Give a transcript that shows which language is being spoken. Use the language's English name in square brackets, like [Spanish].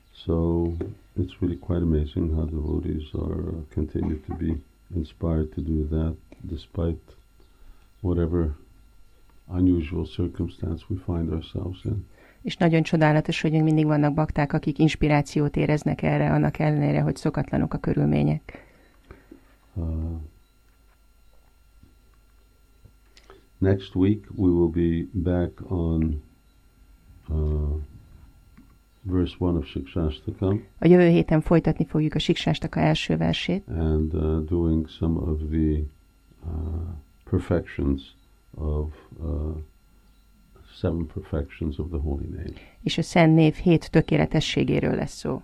[English] So, it's really quite amazing how the devotees continue to be inspired to do that, despite whatever unusual circumstance we find ourselves in. [Hungarian] És nagyon csodálatos, hogy mindig vannak bakták, akik inspirációt éreznek erre, annak ellenére, hogy szokatlanok a körülmények. [English] Next week we will be back on verse 1 of Shikshashtaka. [Hungarian] A jövő héten folytatni fogjuk a Shikshashtaka első versét. [English] And doing some of the perfections of seven perfections of the holy name. [Hungarian] És a szent név hét tökéletességéről lesz szó.